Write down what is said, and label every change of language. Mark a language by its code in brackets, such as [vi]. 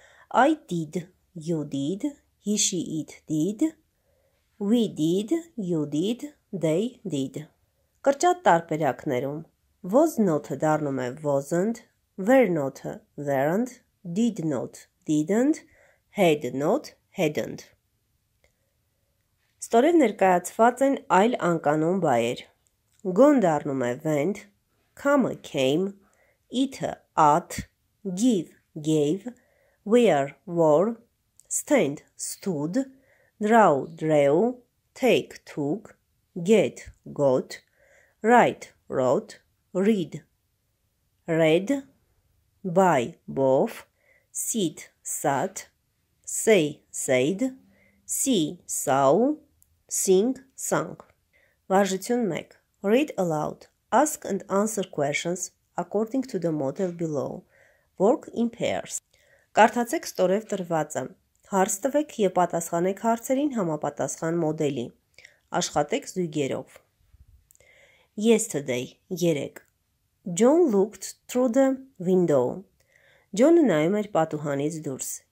[en] I did, you did, he, she, it did. We did, you did, they did. [hy] Կրճատ տարբերակներում. Was not-ը դառնում է wasn't, were not-ը weren't, did not, didn't, had not, hadn't. Ստորև ներկայացված են այլ անկանոն բայեր. Gone դառնում է went, come came, eat-ը at, give gave, wear wore, stand stood, draw drew, take took, get got, write wrote, read read, buy both, sit sat, say said, see saw, sing sung. Վարժություն 1. [en] Read aloud. Ask and answer questions according to the model below. Work in pairs. [hy] Կարդացեք ստորև տրվածը։ Հարց տվեք եւ պատասխանեք հարցերին համապատասխան մոդելի։ Աշխատեք զույգերով։ [en] Yesterday, 3. John looked through the window. [hy] John-ը նայում էր պատուհանից դուրս.